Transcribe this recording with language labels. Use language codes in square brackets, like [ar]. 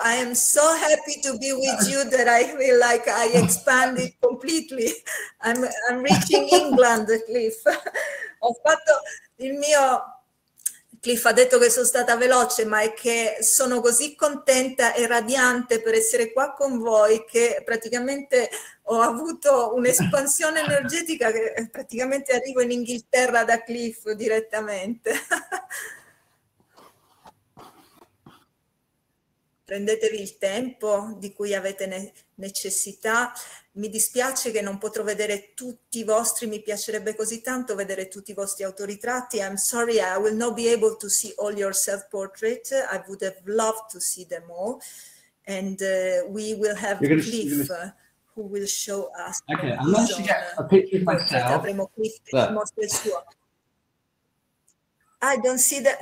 [en] I am so happy to be with you that I feel like I expanded completely. I'm reaching England, Cliff. [it] Ho fatto il mio, Cliff ha detto che sono stata veloce, ma è che sono così contenta e radiante per essere qua con voi che praticamente ho avuto un'espansione energetica che praticamente arrivo in Inghilterra da Cliff direttamente. Prendetevi il tempo di cui avete necessità. Mi dispiace che non potrò vedere tutti i vostri, mi piacerebbe così tanto vedere tutti i vostri autoritratti. [en] I'm sorry, I will not be able to see all your self-portrait. I would have loved to see them all. And we will have Cliff who will show us. Okay, unless you get a picture of myself. [it] Avremo Cliff che ci mostra il suo. [en] I don't see that.